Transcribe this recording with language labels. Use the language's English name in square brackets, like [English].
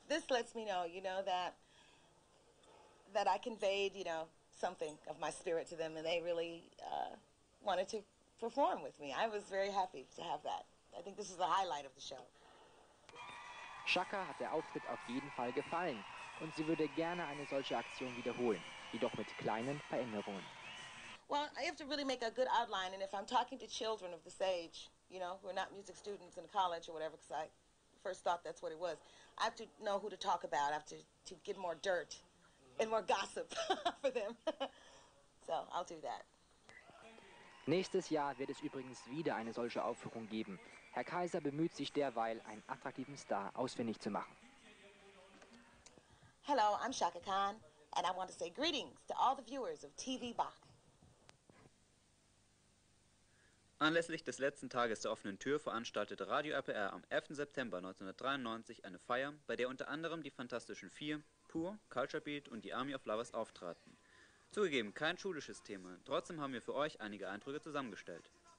[English] This lets me know, you know, that I conveyed, you know, something of my spirit to them, and they really wanted to perform with me. I was very happy to have that. I think this is the highlight of the show. [German] Chaka hat der Auftritt auf jeden Fall gefallen, und sie würde gerne eine solche Aktion wiederholen, jedoch mit kleinen Veränderungen. [English] Well, I have to really make a good outline, and if I'm talking to children of this age, you know, who are not music students in college or whatever, because I first thought that's what it was. I have to know who to talk about. I have to get more dirt and more gossip for them. So I'll do that. [German] Nächstes Jahr wird es übrigens wieder eine solche Aufführung geben. Herr Kaiser bemüht sich derweil, einen attraktiven Star ausfindig zu machen. [English] Hello, I'm Chaka Khan, and I want to say greetings to all the viewers of TV Bach. [German] Anlässlich des letzten Tages der offenen Tür veranstaltete Radio RPR am 11. September 1993 eine Feier, bei der unter anderem die Fantastischen Vier, Pur, Culture Beat und die Army of Lovers auftraten. Zugegeben, kein schulisches Thema, trotzdem haben wir für euch einige Eindrücke zusammengestellt.